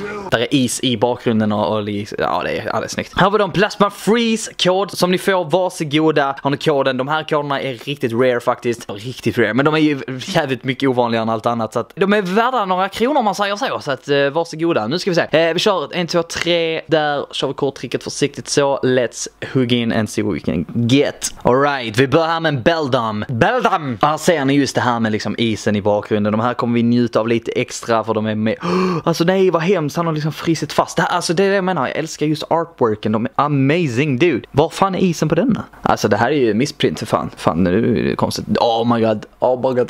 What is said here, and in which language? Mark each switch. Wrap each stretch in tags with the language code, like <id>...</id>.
<sv>Där är is i bakgrunden och det är snyggt. Här har vi då en Plasma Freeze-kod som ni får. Varsågoda, har ni koden. De här koderna är riktigt rare faktiskt. Riktigt rare, men de är ju jävligt mycket ovanligare än allt annat. Så att de är värda några kronor om man säger så. Så att varsågoda, nu ska vi se. Vi kör 1, 2, 3. Där kör vi korttricket försiktigt så.</sv> <en>Let's hug in and see what we can get. Alright,</en> <sv>vi börjar här med en Beldum. Beldum! Här ser ni just det här med liksom isen i bakgrunden. De här kommer vi njuta av lite extra för de är med. Alltså nej, vad hemskt. Han har liksom frisit fast. Det är det jag menar. Jag älskar just artworken. De är</sv> <en>amazing, dude.</en> <sv>Var fan är isen på denna? Alltså det här är ju missprint för fan. Fan, nu är det konstigt.</sv> <en>Oh my god. Oh my god.</en>